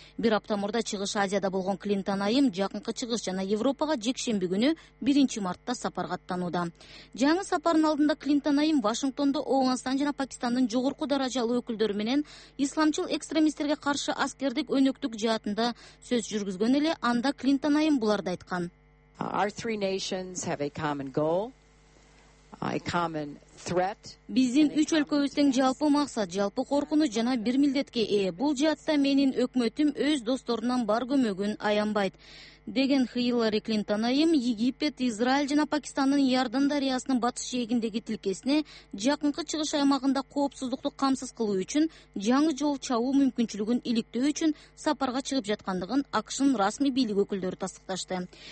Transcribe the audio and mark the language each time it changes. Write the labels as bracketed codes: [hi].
[ky] Бир апта мурда Чыгыш Азияда болгон Клинтон айым жакынкы чыгыш жана Европага жекшемби күнү 1 мартта сапарга аттанууда. Жаңы сапарын алдында Клинтон айым Вашингтондо Ооганстан жана Пакистандын жогорку даражалуу өкүлдөрү менен исламчыл экстремисттерге каршы аскердик өнөктүк жаатында сөз жүргүзгөн эле анда Клинтон айым буларды айткан. [en] Our three nations have a common goal. [ky] Биздин үч өлкөбүз тең жалпы максат, жалпы коркунуч жана бир милдетке ээ. Бул жаатта менин өкмөтүм өз досторунан бар көмөгүн аянбайт. деген Хиллари Клинтон айым Египет, Израиль жана Пакистандын Ярдан дарыясынын батыш жээгиндеги тилкесине жакынкы чыгыш аймагында коопсуздукту камсыз кылуу үчүн жаңы жол чабуу мүмкүнчүлүгүн иликтөө үчүн сапарга чыгып жаткандыгын АКШнын расмий бийлиги өкүлдөрү тастыкташты.